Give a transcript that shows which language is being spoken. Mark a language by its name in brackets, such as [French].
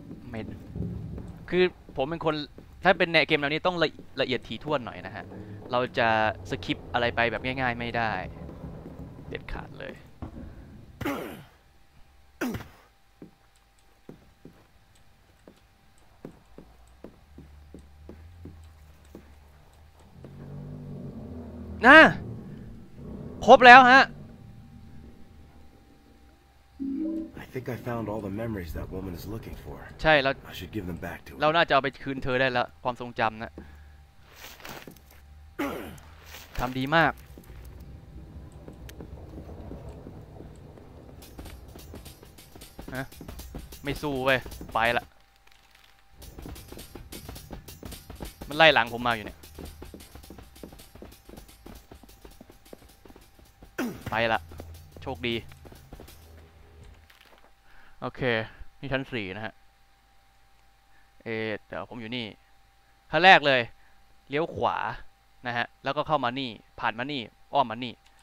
[Thai] เม็ดคือผมเป็นคนถ้าเป็นแนวเกมแล้วนี่ต้องละเอียดถี่ถ้วนหน่อยนะฮะเราจะสคิปอะไรไปแบบง่ายๆไม่ได้เด็ดขาดเลย นะครบแล้วฮะ [English] I think I found all the memories that woman is looking for. [Thai] ใช่แล้ว [English] I should give them back to her. [Thai] เราน่าจะเอาไปคืนเธอได้แล้วความทรงจำนะ ทำดีมาก ฮะไม่สู้เว้ยไปละมันไล่หลังผมมาอยู่เนี่ย ไปละโชคดีโอเคนี่ชั้น4นะฮะเดี๋ยวผมอยู่นี่ขั้นแรกเลยเลี้ยวขวานะฮะแล้วก็เข้ามานี่ผ่านมานี่อ้อมมานี่